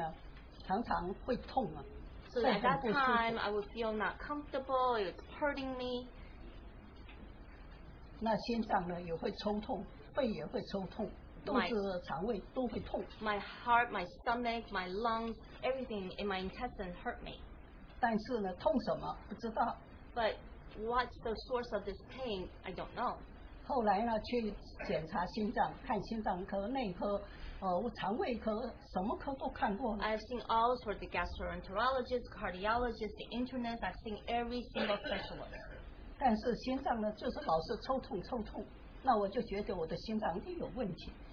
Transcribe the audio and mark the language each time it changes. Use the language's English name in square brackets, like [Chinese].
[Chinese] 所以那个时候呢，常常会痛啊。 [English] So at that time, I would feel not comfortable, it was hurting me. [Chinese] 那心脏呢,也会抽痛,肺也会抽痛, 肚子,肠胃都会痛。 [English] My heart, my stomach, my lungs, everything in my intestine hurt me. [Chinese] 但是呢,痛什么,不知道。 [English] But what's the source of this pain, I don't know. [Chinese] 后来呢,去检查心脏,看心脏科,内科, 肠胃科,什么科都看过了。 [English] I've seen all sorts of the gastroenterologists, cardiologists, the internists. I've seen every single specialist. [Chinese] 但是心脏呢,就是老是抽痛,抽痛。那我就觉得我的心脏一定有问题。